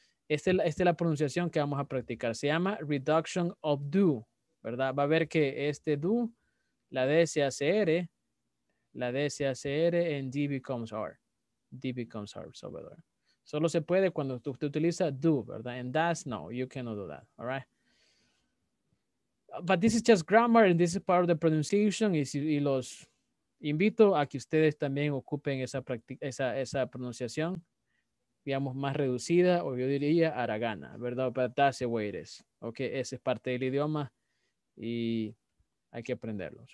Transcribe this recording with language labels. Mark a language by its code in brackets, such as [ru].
[es] Esta es la pronunciación que vamos a practicar. Se llama reduction of do, ¿verdad? Va a ver que este do, la D se hace R, la D se hace R, [en] and D becomes R. D becomes R, Salvador. [es] Solo se puede cuando usted utiliza do, ¿verdad? [en] And that's, no, you cannot do that, all right? But this is just grammar, and this is part of the pronunciation. [es] Y los invito a que ustedes también ocupen esa pronunciación, digamos, más reducida, o yo diría aragana, ¿verdad? [en] But that's the way it is. [es] Okay, esa es parte del idioma, y hay que aprenderlo.